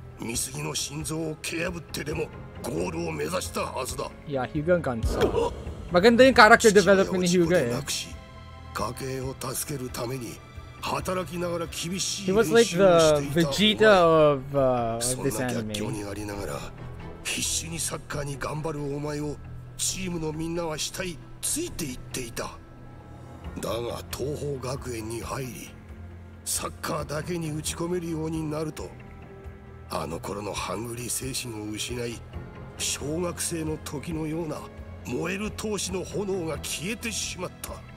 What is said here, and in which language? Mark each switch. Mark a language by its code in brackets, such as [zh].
[ja] ミスギの心臓を蹴破ってでもゴールを目指したはずだ。いや、ヒューガンガンさん、 [tl] Maganda yung [en] character development [tl] ni Hyuga eh. [en] He was like the Vegeta of this anime. [ja] だが東方学園に入りサッカーだけに打ち込めるようになると、あの頃のハングリー精神を失い、小学生の時のような燃える闘志の炎が消えてしまった。